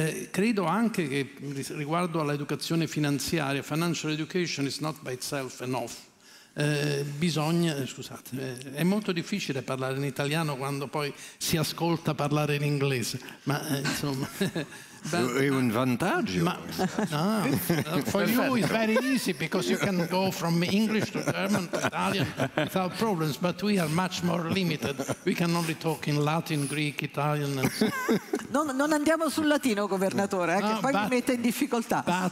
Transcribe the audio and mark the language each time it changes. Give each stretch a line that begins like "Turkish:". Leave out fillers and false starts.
Italian: Credo anche che riguardo all'educazione finanziaria,
English: financial education is not by itself enough.
Italian: È molto difficile parlare in italiano quando poi si ascolta parlare in inglese, ma insomma. But, è un vantaggio.
English: Ma, no, for you it's very easy because you can go from English to German to Italian without problems, but we are much more limited. We can only talk in Latin, Greek, Italian. And so.
Italian: Non andiamo sul latino, governatore, che poi mi mette in difficoltà.